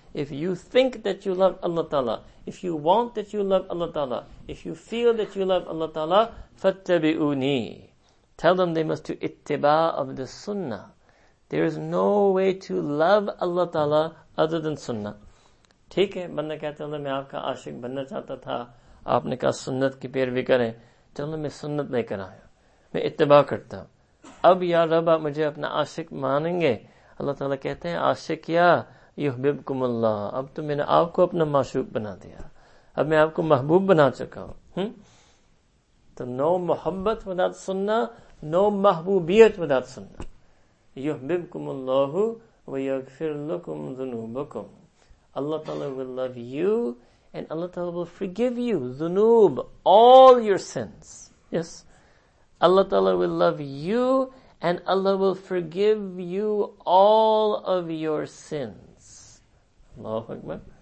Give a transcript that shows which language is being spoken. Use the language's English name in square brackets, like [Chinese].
[English] If you think that you love Allah Ta'ala, if you want that you love Allah Ta'ala, if you feel that you love Allah Ta'ala, fattabi'uni. Tell them they must do ittiba of the sunnah. There is no way to love Allah Ta'ala other than sunnah. [Urdu] ٹھیک ہے بندہ کہتا ہے میں آپ کا عاشق بننا چاہتا تھا آپ نے کہا سنت کی پیروی کریں چلو میں سنت لے کر آیا میں اتباع کرتا ہوں اب یا رب آپ مجھے اپنا عاشق مانیں گے اللہ تعالیٰ کہتے ہیں عاشق یا یحببکم اللہ اب تو میں نے آپ کو اپنا معشوق بنا دیا اب میں آپ کو محبوب بنا چکا ہوں تو نو محبت without سننا نو محبوبیت without سننا [Arabic] يُحْبِبْكُمُ اللَّهُ وَيَغْفِرْ لَكُمْ ذُنُوبَكُمْ. [English] Allah Ta'ala will love you and Allah Ta'ala will forgive you, ذُنُوب, all your sins. Yes. Allah Ta'ala will love you and Allah will forgive you all of your sins. Allahu Akbar.